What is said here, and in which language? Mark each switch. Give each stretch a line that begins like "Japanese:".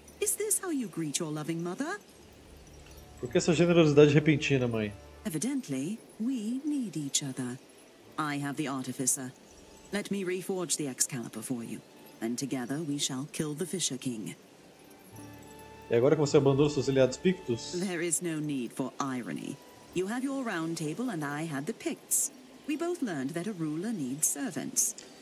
English: Is this how you greet your loving mother?
Portuguese: Por que essa generosidade repentina, mãe?
English: Evidently, we need each other. I have the artificer. Let me reforge the Excalibur for you, and together we shall kill the Fisher King.
Portuguese: E agora que você abandonou seus aliados pictos?
English: There is no need for irony. You have your round table and I had the Picts. We both learned that a ruler needs servants.